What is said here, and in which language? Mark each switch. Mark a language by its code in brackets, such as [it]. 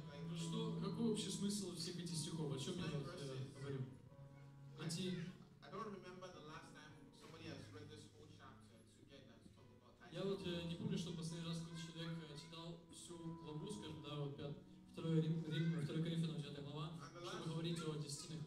[ru] Ну что, какой вообще смысл всех этих стихов? О чем я говорю? Эти... [en] I don't remember the last time somebody has read this whole chapter together. [ru] Я вот не помню, что последний раз какой-то человек читал всю главу, скажем, да, вот 2 Коринфянам, 9 глава, чтобы говорить о десятинах